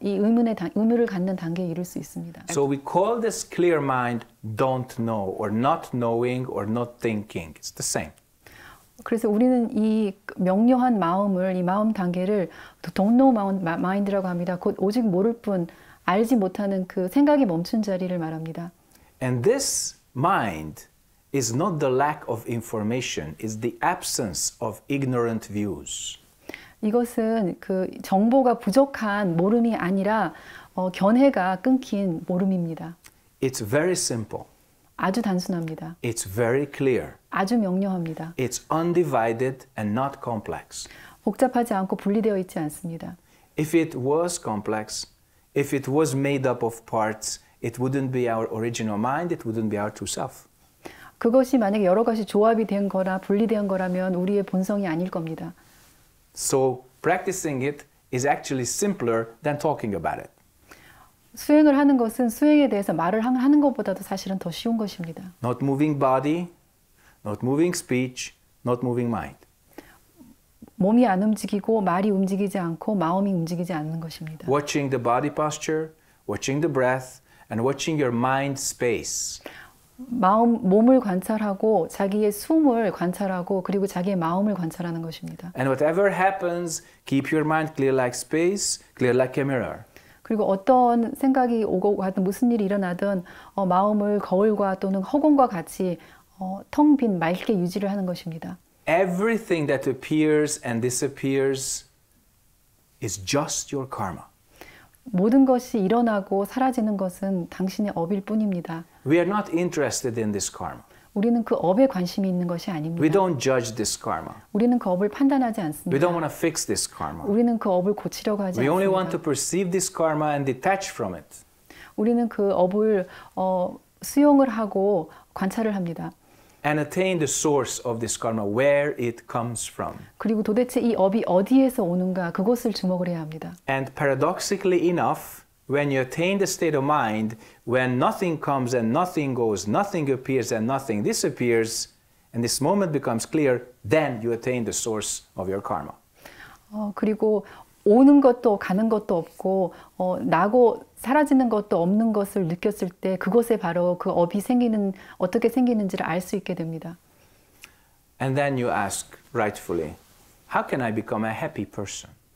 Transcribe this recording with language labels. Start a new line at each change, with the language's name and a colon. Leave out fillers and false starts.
Korean: 이 의문을 갖는 단계에 이를 수 있습니다.
English: So we call this clear mind don't know or not knowing or not thinking. It's the same.
Korean: 그래서 우리는 이 명료한 마음을 이 마음 단계를
English: don't know mind
Korean: 라고 합니다. 곧 오직 모를 뿐 알지 못하는 그 생각이 멈춘 자리를 말합니다.
English: And this mind is not the lack of information, it's the absence of ignorant views.
Korean: 이것은 그 정보가 부족한 모름이 아니라 견해가 끊긴 모름입니다.
English: It's very simple.
Korean: 아주 단순합니다.
English: It's very clear.
Korean: 아주 명료합니다.
English: It's undivided and not complex.
Korean: 복잡하지 않고 분리되어 있지 않습니다.
English: If it was complex, if it was made up of parts, it wouldn't be our original mind, it wouldn't be our true self.
Korean: 그것이 만약에 여러 가지 조합이 된 거나 분리된 거라면 우리의 본성이 아닐 겁니다.
English: So practicing it is actually simpler than talking about it.
Korean: 수행을 하는 것은 수행에 대해서 말을 하는 것보다도 사실은 더 쉬운 것입니다.
English: Not moving body, not moving speech, not moving mind.
Korean: 몸이 안 움직이고 말이 움직이지 않고 마음이 움직이지 않는 것입니다.
English: Watching the body posture, watching the breath, and watching your mind space.
Korean: 몸을 관찰하고 자기의 숨을 관찰하고 그리고 자기의 마음을 관찰하는 것입니다.
English: And whatever happens, keep your mind clear like space, clear like a mirror.
Korean: 그리고 어떤 생각이 오고 가든 무슨 일이 일어나든 마음을 거울과 또는 허공과 같이 텅빈 맑게 유지를 하는 것입니다.
English: Everything that appears and disappears is just your karma.
Korean: 모든 것이 일어나고 사라지는 것은 당신의 업일 뿐입니다.
English: We are not interested in this karma.
Korean: 우리는 그 업에 관심이 있는 것이
English: We
Korean: 아닙니다.
English: don't judge this karma.
Korean: 우리는 그 업을 판단하지
English: We don't
Korean: 않습니다.
English: want to fix this karma.
Korean: 우리는 그 업을 고치려고 하지
English: We only want
Korean: 않습니다.
English: to perceive this karma and detach from it.
Korean: 우리는 그 업을 수용을 하고 관찰을 합니다.
English: And attain the source of this karma, where it comes from.
Korean: 그리고 도대체 이 업이 어디에서 오는가, 그것을 주목을 해야 합니다.
English: And paradoxically enough, when you attain the state of mind, when nothing comes and nothing goes, nothing appears and nothing disappears, and this moment becomes clear, then you attain the source of your karma.
Korean: 그리고 오는 것도 가는 것도 없고, 나고 사라지는 것도 없는 것을 느꼈을 때, 그것에 바로 그 업이 어떻게 생기는지를 알수 있게 됩니다.
English: And then you ask rightfully, how can I become a happy person?